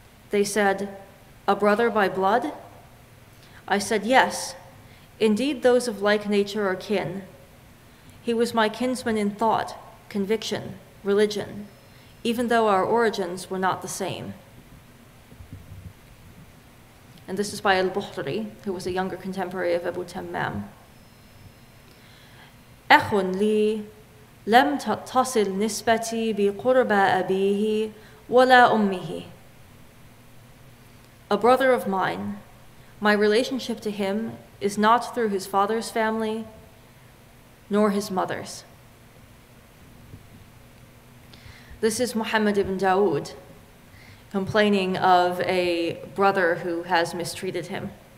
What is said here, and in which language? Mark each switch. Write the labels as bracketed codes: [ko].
[en] They said, a brother by blood? I said, yes, indeed those of like nature are kin. He was my kinsman in thought, conviction, religion, even though our origins were not the same. And this is by al-Buhri, who was a younger contemporary of Abu Tammam. [ar] أخٌ لي لم تتصل نسبتي بقرب أبيه وَلَا أُمِّهِ. [en] A brother of mine, my relationship to him is not through his father's family, nor his mother's. This is Muhammad ibn Dawud complaining of a brother who has mistreated him.